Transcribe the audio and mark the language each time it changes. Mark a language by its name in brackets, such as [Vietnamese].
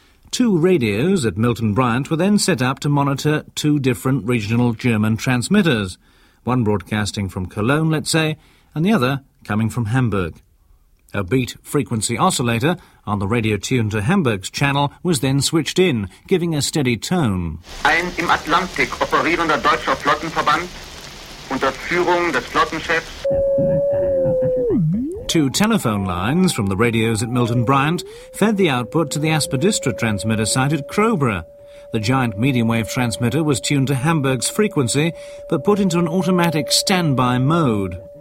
[English] Two radios at Milton Bryant were then set up to monitor two different regional German transmitters, one broadcasting from Cologne, let's say, and the other coming from Hamburg. A beat frequency oscillator on the radio tuned to Hamburg's channel was then switched in, giving a steady tone. [German] Ein im Atlantik operierender deutscher Flottenverband unter Führung des Flottenchefs. [English] Two telephone lines from the radios at Milton Bryant fed the output to the Aspidistra transmitter site at Crowborough. The giant medium-wave transmitter was tuned to Hamburg's frequency, but put into an automatic standby mode.